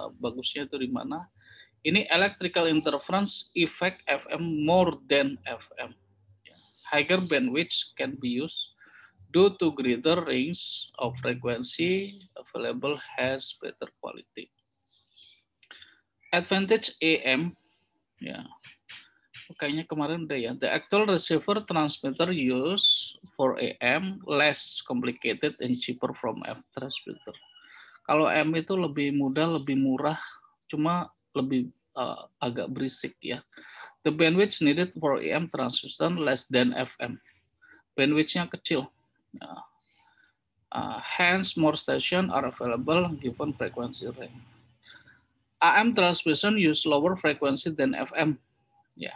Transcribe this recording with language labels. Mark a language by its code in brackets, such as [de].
[id] Bagusnya itu di mana? Ini [en] electrical interference effect FM more than FM. Yeah. Higher bandwidth can be used due to greater range of frequency available has better quality. Advantage AM. Yeah. [id] Kayaknya kemarin udah ya. [en] The actual receiver transmitter used for AM less complicated and cheaper from FM transmitter. [id] Kalau M itu lebih mudah, lebih murah, cuma lebih agak berisik ya. [en] The bandwidth needed for AM transmission less than FM. [id] Bandwidth-nya kecil. [en] Hence, more station are available given frequency range. AM transmission use lower frequency than FM. Yeah.